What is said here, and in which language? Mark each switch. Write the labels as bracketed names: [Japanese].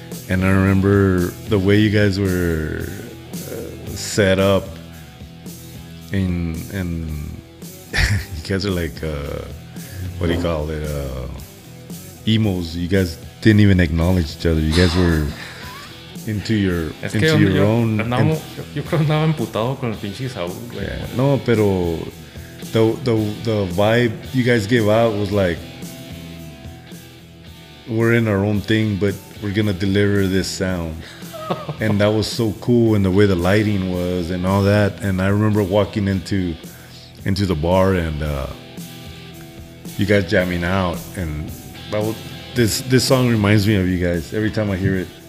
[English] And I remember the way you guys were set up and you guys are like emos. You guys didn't even acknowledge each other. You guys were into your own. [Spanish] Yo creo que emputado con el pinche Saúl. [English] Yeah. [Spanish] No, pero [English] the vibe you guys gave out was like, we're in our own thing, but we're gonna deliver this sound. And that was so cool, and the way the lighting was and all that. And I remember walking into the bar and you guys jamming out, and this song reminds me of you guys every time I hear it.